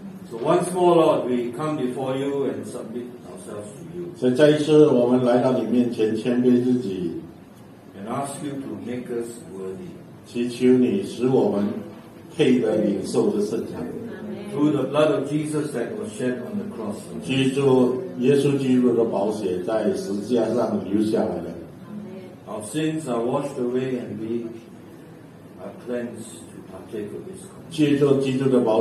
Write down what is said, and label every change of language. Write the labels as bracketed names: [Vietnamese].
[English] So once more, Lord, we come before you and submit ourselves to you. [Chinese] 所以再一次，我们来到你面前，谦卑自己。 [English] And ask you to make us worthy. [Chinese] 祈求你使我们配得领受这圣餐。 [English] Through the blood of Jesus that was shed on the cross. [Chinese] 记住耶稣基督的宝血在十字架上流下来的。 [English] Our sins are washed away and we are cleansed to partake of this.